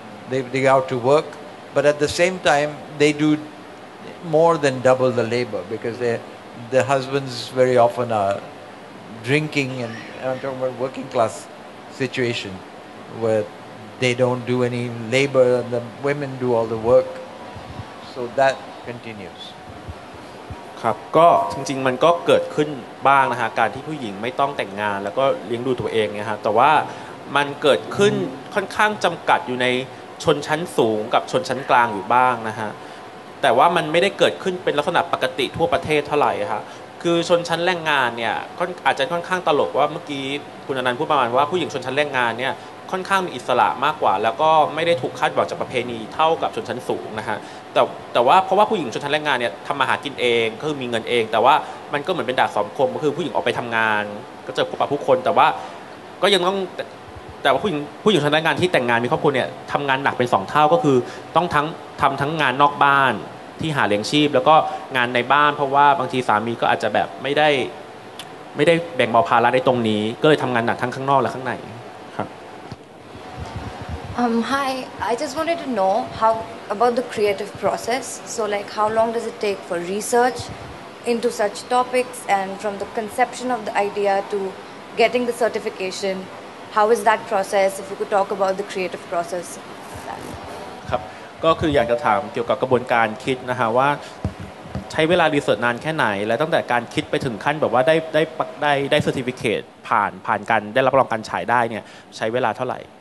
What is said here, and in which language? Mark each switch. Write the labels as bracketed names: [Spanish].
[Thai] They go out to work, but at the same time they do more than double the labor because the husbands very often are drinking, and I'm talking about working class situation where they don't do any labor and the women do all the work. So that continues. ครับก็จริงๆมันก็เกิดขึ้นบ้างนะฮะการที่ผู้หญิงไม่ต้องแต่งงานแล้วก็เลี้ยงดูตัวเองเนี่ยฮะแต่ว่ามันเกิดขึ้นค่อนข้างจำกัดอยู่ในชนชั้นสูงกับชนชั้นกลางอยู่บ้างนะฮะแต่ว่ามันไม่ได้เกิดขึ้นเป็นลักษณะปกติทั่วประเทศเท่าไหร่ฮะคือชนชั้นแรงงานเนี่ยก็อาจจะค่อนข้างตลกว่าเมื่อกี้คุณอนันต์พูดประมาณว่าผู้หญิงชนชั้นแรงงานเนี่ยค่อนข้างมีอิสระมากกว่าแล้วก็ไม่ได้ถูกคาดหวังจากประเพณีเท่ากับชนชั้นสูงนะฮะ แต่ว่าเพราะว่าผู้หญิงชนชั้นแรงงานเนี่ยทำมาหากินเองก็คือมีเงินเองแต่ว่ามันก็เหมือนเป็นดาบสองคมก็คือผู้หญิงออกไปทำงานก็จะพบปะผู้คนแต่ว่าก็ยังต้อง แต่ว่าผู้หญิงชนชั้นแรงงานที่แต่งงานมีครอบครัวเนี่ยทำงานหนักเป็นสองเท่าก็คือต้องทั้งงานนอกบ้านที่หาเลี้ยงชีพแล้วก็งานในบ้านเพราะว่าบางทีสามีก็อาจจะแบบไม่ได้แบ่งเบาภาระได้ตรงนี้ก็เลยทำงานหนักทั้งข้างนอกและข้างใน [English] Hi, I just wanted to know how about the creative process. So, like, how long does it take for research into such topics, and from the conception of the idea to getting the certification, how is that process? If you could talk about the creative process. [Thai] ครับก็คืออยากจะถามเกี่ยวกับกระบวนการคิดนะฮะว่าใช้เวลารีเสิร์ชนานแค่ไหนและตั้งแต่การคิดไปถึงขั้นแบบว่าได้เซอร์ติฟิเคตผ่านการได้รับรองการฉายได้เนี่ยใช้เวลาเท่าไหร่